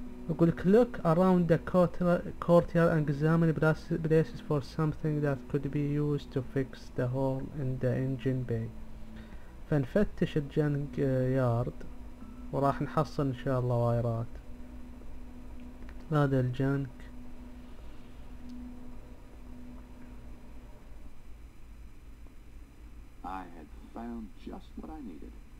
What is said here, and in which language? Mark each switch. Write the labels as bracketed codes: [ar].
[ar] يقول لك [en] look around the courtyard and examine places for something that could be used to fix the hole in the engine bay. [ar] فنفتش الجنج يارد وراح نحصل ان شاء الله وايرات. هذا الجنك [en] I had found just what I needed.